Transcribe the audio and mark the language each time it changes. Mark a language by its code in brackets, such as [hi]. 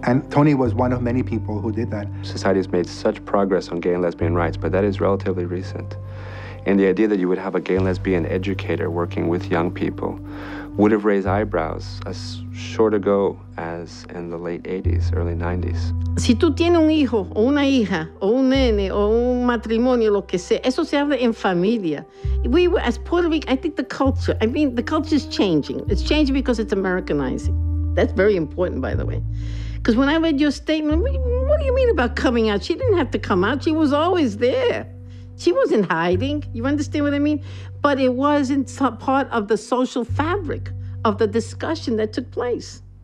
[en] And Tony was one of many people who did that. Society has made such progress on gay and lesbian rights, but that is relatively recent. And the idea that you would have a gay and lesbian educator working with young people would have raised eyebrows as short ago as in the late 80s, early 90s. [es] Si tú tienes un hijo o una hija o un nene o un matrimonio, lo que sea, eso se habla en familia. [en] We were, as Puerto Rican, I think the culture, I mean, the culture is changing. It's changing because it's Americanizing. That's very important, by the way. Because when I read your statement, what do you mean about coming out? She didn't have to come out. She was always there. She wasn't hiding. You understand what I mean? But it wasn't part of the social fabric of the discussion that took place.